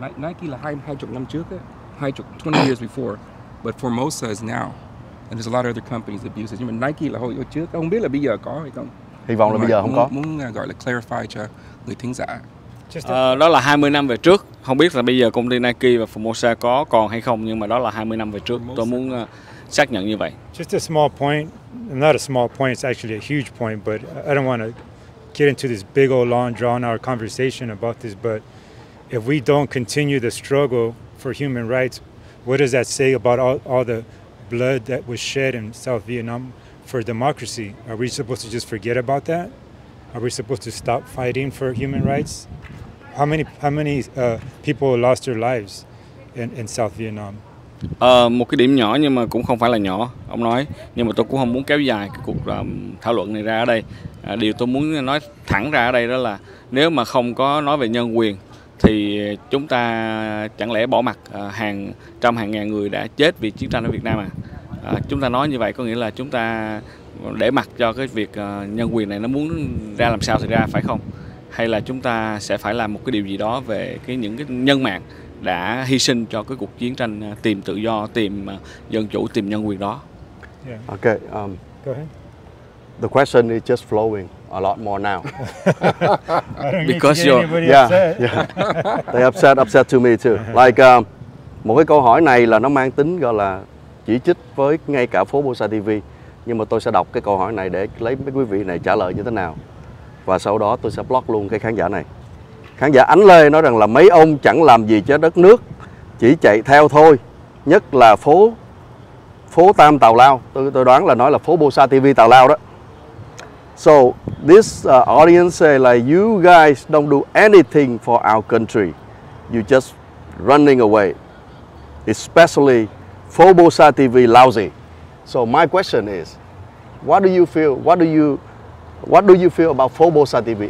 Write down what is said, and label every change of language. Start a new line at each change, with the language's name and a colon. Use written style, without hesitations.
Vietnamese: Nike là 20 năm trước ấy,
English: 20 years before, but Formosa is now, and there's a lot of other companies that abuse it.
Vietnamese: Nhưng mà Nike là hồi trước, không biết là bây giờ có hay không. Hy vọng là bây giờ không có. Muốn gọi là clarify cho người thính giả. Đó là 20 năm về trước, không biết là bây giờ công ty Nike và Formosa có còn hay không, nhưng mà đó là 20 năm về trước. Tôi muốn xác nhận như vậy.
English: Just a small point, not a small point, it's actually a huge point, but I don't want to get into this big old long drawn out conversation about this, but if we don't continue the struggle for human rights, what does that say about all the blood that was shed in South Vietnam for democracy? Are we supposed to just forget about that? Are we supposed to stop fighting for human rights? How many people lost their lives in South Vietnam?
Vietnamese: Một cái điểm nhỏ nhưng mà cũng không phải là nhỏ, ông nói, nhưng mà tôi cũng không muốn kéo dài cái cuộc thảo luận này ra ở đây. Điều tôi muốn nói thẳng ra ở đây đó là nếu mà không có nói về nhân quyền thì chúng ta chẳng lẽ bỏ mặc hàng ngàn người đã chết vì chiến tranh ở Việt Nam à? Chúng ta nói như vậy có nghĩa là chúng ta để mặc cho cái việc nhân quyền này nó muốn ra làm sao thì ra, phải không? hay là chúng ta sẽ phải làm một cái điều gì đó về cái những cái nhân mạng đã hy sinh cho cái cuộc chiến tranh tìm tự do, tìm dân chủ, tìm nhân quyền đó.
English: Yeah. Okay. Go ahead. The question is just flowing a lot more now. Because you're upset. Yeah. They upset to me too.
Vietnamese: Like một cái câu hỏi này là nó mang tính gọi là chỉ trích với ngay cả phố Bosa TV. Nhưng mà tôi sẽ đọc cái câu hỏi này để lấy mấy quý vị này trả lời như thế nào. Và sau đó tôi sẽ block luôn cái khán giả này. Khán giả Ánh Lê nói rằng là mấy ông chẳng làm gì cho đất nước, chỉ chạy theo thôi. Nhất là phố Tam Tào Lao. Tôi đoán là nói là phố Bosa TV Tào Lao đó.
English: So this audience say like you guys don't do anything for our country. You just running away. Especially phố Bosa TV lousy. So my question is, what do you feel about phố Bosa TV?